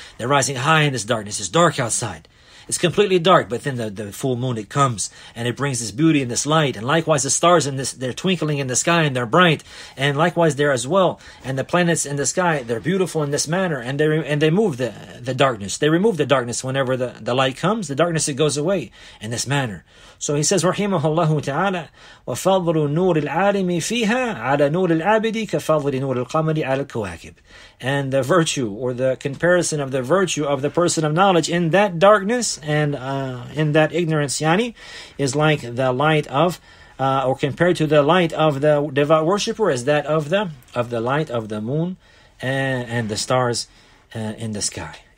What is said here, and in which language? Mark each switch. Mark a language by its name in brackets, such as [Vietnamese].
[English] They're rising high in this darkness. It's dark outside. It's completely dark, but then the full moon, it comes, and it brings this beauty and this light. And likewise, the stars, they're twinkling in the sky, and they're bright. And likewise, there as well. And the planets in the sky, they're beautiful in this manner. And they move the darkness. They remove the darkness whenever the light comes. The darkness, it goes away in this manner. So he says, [Arabic] rahimahullahu ta'ala, وَفَضْلُ نُورِ الْعَالِمِ فِيهَا عَلَى نُورِ الْعَابِدِ كَفَضْلِ نُورِ الْقَمَرِ عَلَى الْكُوَاكِبِ. [English] And the virtue, or the comparison of the virtue of the person of knowledge in that darkness and in that ignorance, yani, is like the light of, or compared to the light of the devout worshipper, is that of the light of the moon and the stars in the sky.